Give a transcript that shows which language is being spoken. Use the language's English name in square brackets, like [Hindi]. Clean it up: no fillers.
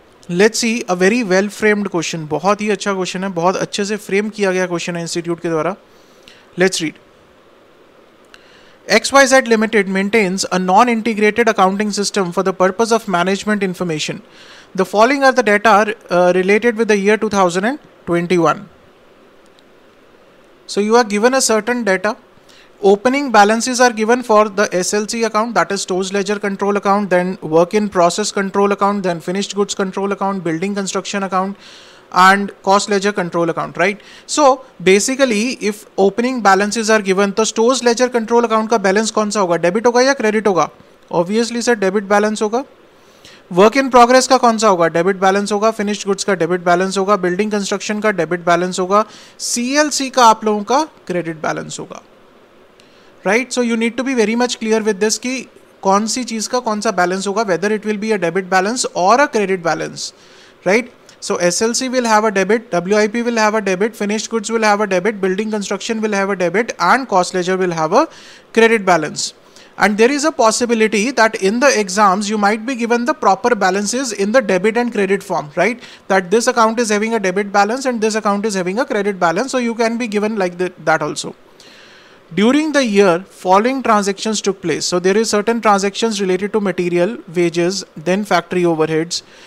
[English] Let's see a very well framed question. [Hindi] बहुत ही अच्छा question है, बहुत अच्छे से फ्रेम किया गया क्वेश्चन है इंस्टीट्यूट के द्वारा. [English] Let's read. X Y Z limited maintains a non integrated accounting system for the purpose of management information. The following are the data related with the year 2021. So you are given a certain data. Opening balances are given for the SLC account, that is stores ledger control account, then work in process control account, then finished goods control account, building construction account, and cost ledger control account, right? So basically if opening balances are given, [Hindi] तो stores ledger control account का balance कौन सा होगा, debit होगा या credit होगा? Obviously sir, debit balance होगा. Work in progress का कौन सा होगा, डेबिट बैलेंस होगा. फिनिश्ड गुड्स का डेबिट बैलेंस होगा. बिल्डिंग कंस्ट्रक्शन का डेबिट बैलेंस होगा. सीएलसी का आप लोगों का क्रेडिट बैलेंस होगा, right? [English] so you need to be very much clear with this [Hindi] कि कौन सी चीज का कौन सा बैलेंस होगा, [English] Whether it will be a debit balance और a credit balance, right? So SLC will have a debit, WIP will have a debit, finished goods will have a debit, building construction will have a debit, and cost ledger will have a credit balance. And there is a possibility that in the exams, you might be given the proper balances in the debit and credit form, right? That this account is having a debit balance and this account is having a credit balance. So you can be given like that also. During the year, following transactions took place. So there is certain transactions related to material, wages, then factory overheads.